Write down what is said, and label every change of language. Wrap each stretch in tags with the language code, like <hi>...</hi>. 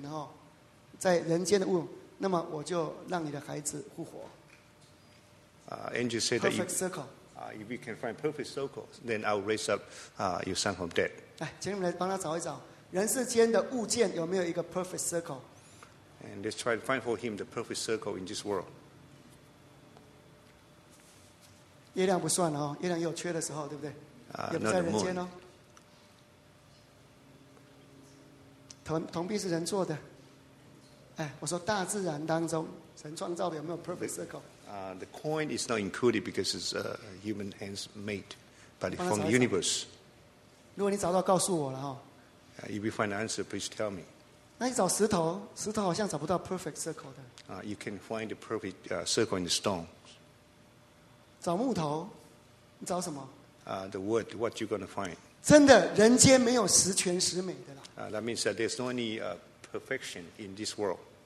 <zh>如果你在人间找到一个圆呐，正圆，不是，就是在大自然当中可以找到一个正圆哦，在地上可以找到一个正圆哦，在人间的物。那么我就让你的孩子复活。Angel</zh> <en>said that perfect circle. If we can find perfect circles, then I'll raise up your son from dead.</en> <zh>来，请你们来帮他找一找人世间的物件有没有一个 perfect circle.</zh> <en>And let's try to find for him the perfect circle in this world.</en> <zh>月亮不算哦，月亮也有缺的时候，对不对？也不在人间哦。铜币是人做的。哎，我说大自然当中神创造的有没有 perfect circle？</zh> <en>The coin is not included because it's a human hands made, but from the universe.</en> <zh>如果你找到，告诉我了哈。</zh> <en>If you find the answer, please tell me.</en> <zh>那你找石头，石头好像找不到 perfect circle 的。</zh> <en>You can find the perfect circle in the stone.</en> <zh>找木头，你找什么？</zh> <en>The wood. What you gonna find?</en> <zh>真的，人间没有十全十美的啦。</zh> <en>That means that there's no any perfection in this world.</en>